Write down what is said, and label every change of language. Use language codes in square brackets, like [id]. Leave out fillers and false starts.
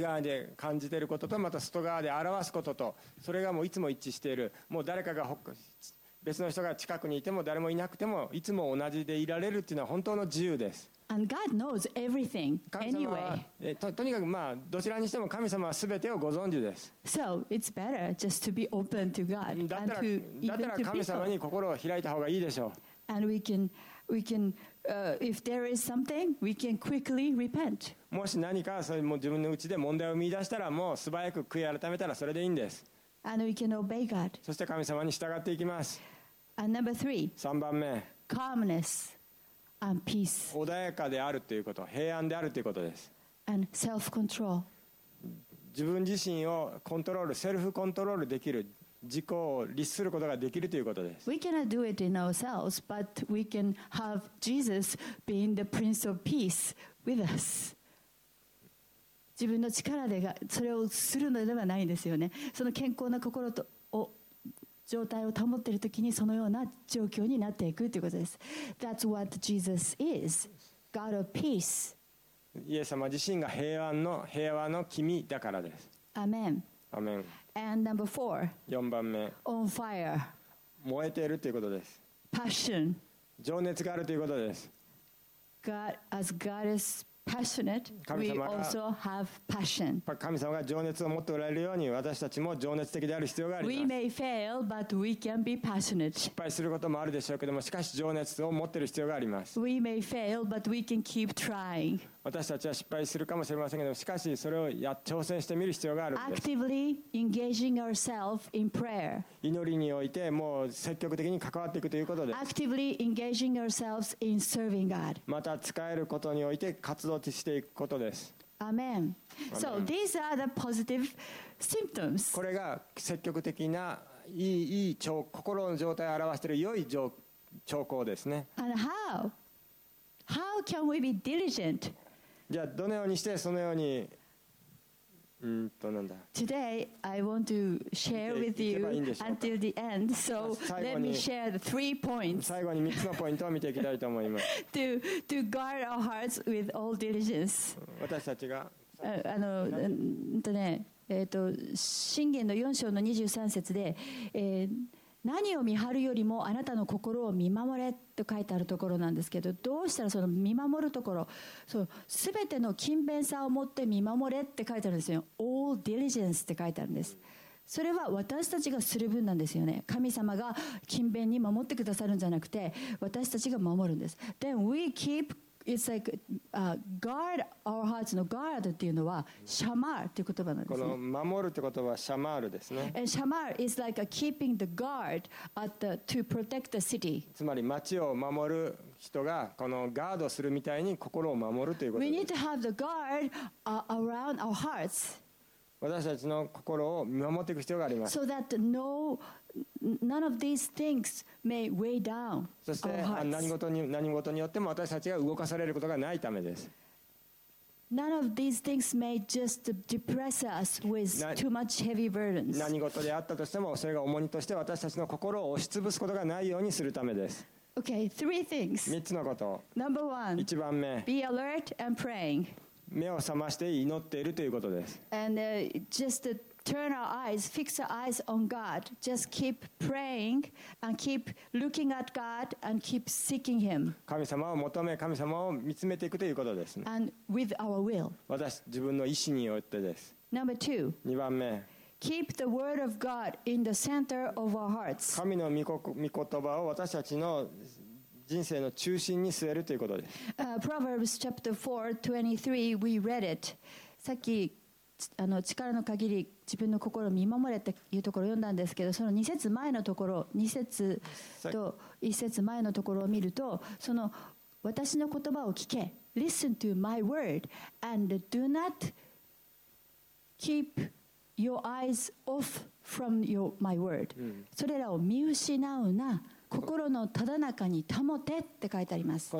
[ja] 側で感じていることとまた外側で表すこととそれがもういつも一致しているもう誰かが別の人が近くにいても誰もいなくてもいつも同じでいられるというのは本当の自由です。 [en] And God knows everything anyway. [ja] とにかくまあどちらにしても神様は全てをご存知です。 [en] So it's better just to be open to God and to even to people. [ja] だったら神様に心を開いた方がいいでしょう。 [en] And we can if there is something, we can quickly repent. [ja] もし何かそれも自分のうちで問題を見出したらもう素早く悔い改めたらそれでいいんです。 [en] And we can obey God. [ja] そして神様に従っていきます。 [en] And number three. [ja] 三番目。 [en] Calmness. And peace. [ja] 穏やかであるということ、平安であるということです。 [en] And self-control. [ja] 自分自身をコントロール、セルフコントロールできる、自己を律することができるということです。 [en] We cannot do it in ourselves, but we can have Jesus being the Prince of Peace with us. [ja] 自分の力でがそれをするのではないんですよね。その健康な心と状態を保っているときにそのような状況になっていくということです。 [en] That's what Jesus is. God of peace. [ja] イエス様自身が平和の君だからです。 [en] Amen. Amen. And number four. [ja] 四番目。 [en] On fire. [ja] 燃えているということです。 [en] Passion. [ja] 情熱があるということです。 [en] God, as God is passionate, we also have passion. [ja] 神様が情熱を持っておられるように、私たちも情熱的である必要があります。 [en] We may fail, but we can be passionate. [ja] 失敗することもあるでしょうけども、しかし情熱を持っている必要があります。 [en] We may fail, but we can keep trying. [ja] 私たちは失敗するかもしれませんけども、しかしそれを挑戦してみる必要があるんです。 [en] Actively engaging ourselves in prayer. [ja] 祈りにおいてもう積極的に関わっていくということです。 [en] Actively engaging ourselves in serving God. [ja] また使えることにおいて活動していくことです。 [en] Amen. So these are the positive symptoms. [ja] これが積極的な良い兆心の状態を表している良い兆候ですね。 [en] And how? How can we be diligent? [ja] じゃあどのようにしてそのようになんだ。 [en] Today I want to share with you until the end. So let me share the three points. [ja] 最後に3つのポイントを見ていきたいと思います。 [en] to guard our hearts with all diligence. [ja] 私たちが箴言の4章の23節で、何を見張るよりもあなたの心を見守れと書いてあるところなんですけど、どうしたらその見守るところ、そう、全ての勤勉さを持って見守れって書いてあるんですよ。 [en] All diligence [ja] って書いてあるんです。それは私たちがする分なんですよね。神様が勤勉に守ってくださるんじゃなくて、私たちが守るんです。 [en] Then we keep It's like guard our hearts. [ja] の guard っていうのはシャマールっていう言葉なんですね。この守るって言葉はシャマールですね。 [en] And シャマール is like keeping the guard at the to protect the city. [ja] つまり町を守る人がこのガードするみたいに心を守るということです。 [en] We need to have the guard around our hearts. [ja] 私たちの心を守っていく必要があります。 [en] So that no none of these things. May weigh down [ja] そして何事によっても私たちが動かされることがないためです。 [en] None of these things may just depress us with too much heavy burdens. [ja] 何事であったとしてもそれが重荷として私たちの心を押しつぶすことがないようにするためです。 [en] Okay, three things. [ja] 3つのこと。 [en] Number one, [ja] 1番目。 [en] Be alert and praying. [ja] 目を覚まして祈っているということです。 [en] And just theTurn our eyes, fix our eyes on God. Just keep praying and keep looking at God and keep seeking Him. [ja] 神様を求め、神様を見つめていくということですね。 [en] And with our will. [ja] 私、自分の意思によってです。 [en] Number two. [ja] 二番目。 [en] Keep the word of God in the center of our hearts. [ja] 神の御言葉を私たちの人生の中心に据えるということです。 [en] Proverbs chapter 4:23, we read it. [ja] さっき力の限り自分の心を見守れっていうところを読んだんですけど、その2節前のところ、2節と1節前のところを見ると、その私の言葉を聞け、 [en] Listen to my word [ja] and do not keep your eyes off from my word、うん、それらを見失うな、心のただ中に保てって書いてあります。